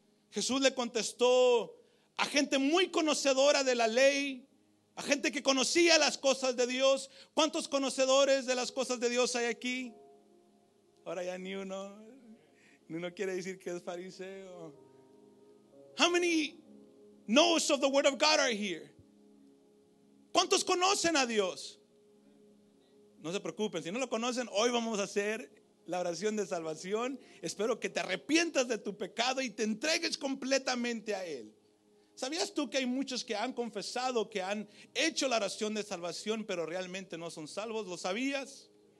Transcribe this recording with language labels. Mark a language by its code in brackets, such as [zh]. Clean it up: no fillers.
[es] Jesús le contestó a gente muy conocedora de la ley, a gente que conocía las cosas de Dios. ¿Cuántos conocedores de las cosas de Dios hay aquí? Ahora ya ni uno quiere decir que es fariseo. [en] How many knows of the word of God are here? [es] ¿Cuántos conocen a Dios? No se preocupen, si no lo conocen, hoy vamos a hacer la oración de salvación. Espero que te arrepientas de tu pecado y te entregues completamente a Él. ¿Sabías tú que hay muchos que han confesado que han hecho la oración de salvación, pero realmente no son salvos? ¿Lo sabías?